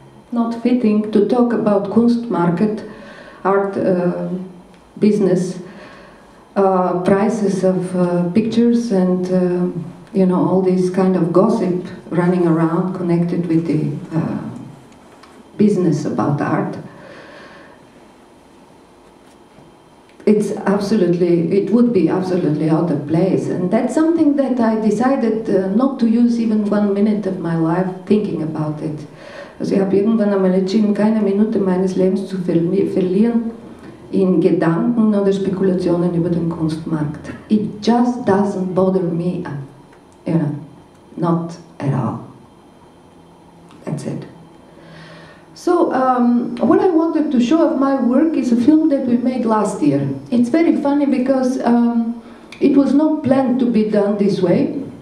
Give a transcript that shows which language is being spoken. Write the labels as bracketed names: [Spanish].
[English] Not fitting to talk about Kunstmarkt, art business, prices of pictures, and you know, all this kind of gossip running around connected with the business about art. It's absolutely, it would be absolutely out of place. And that's something that I decided not to use even 1 minute of my life thinking about it. [German] Also ich habe irgendwann einmal entschieden, keine Minute meines Lebens zu verlieren in Gedanken oder Spekulationen über den Kunstmarkt. [English] It just doesn't bother me, you know, not at all. That's it. So, what I wanted to show of my work is a film that we made last year. It's very funny because it was not planned to be done this way.